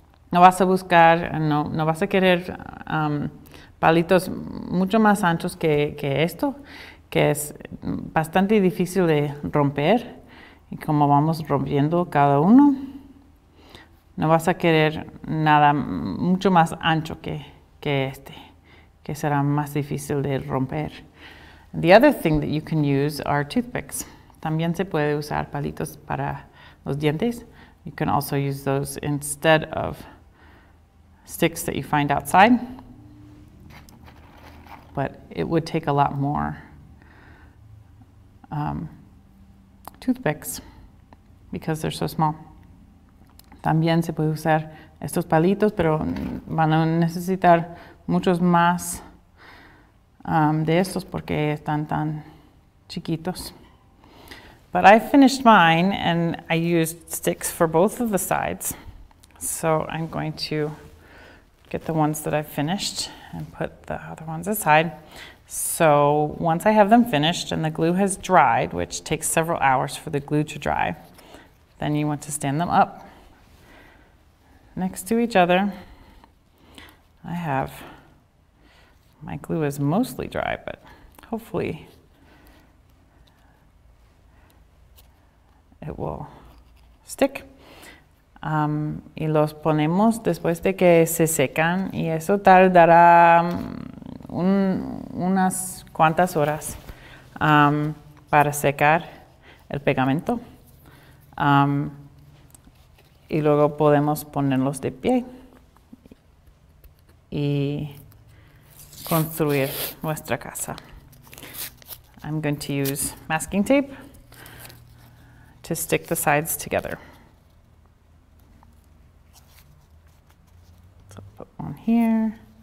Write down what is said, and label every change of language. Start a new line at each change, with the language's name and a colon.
Spanish: No vas a buscar, no vas a querer palitos mucho más anchos que esto, que es bastante difícil de romper. Y como vamos rompiendo cada uno, no vas a querer nada mucho más ancho que este, que será más difícil de romper.
English: The other thing that you can use are toothpicks.
Spanish: También se puede usar palitos para los dientes.
English: You can also use those instead of sticks that you find outside. But it would take a lot more toothpicks because they're so small.
Spanish: También se puede usar estos palitos, pero van a necesitar muchos más de estos porque están tan chiquitos.
English: But I finished mine and I used sticks for both of the sides. So I'm going to get the ones that I've finished and put the other ones aside. So once I have them finished and the glue has dried, which takes several hours for the glue to dry, then you want to stand them up next to each other. I have, my glue is mostly dry, but hopefully it will stick.
Spanish: Y los ponemos después de que se secan, y eso tardará unas cuantas horas para secar el pegamento. Y luego podemos ponerlos de pie y construir nuestra casa.
English: I'm going to use masking tape to stick the sides together. So put one here.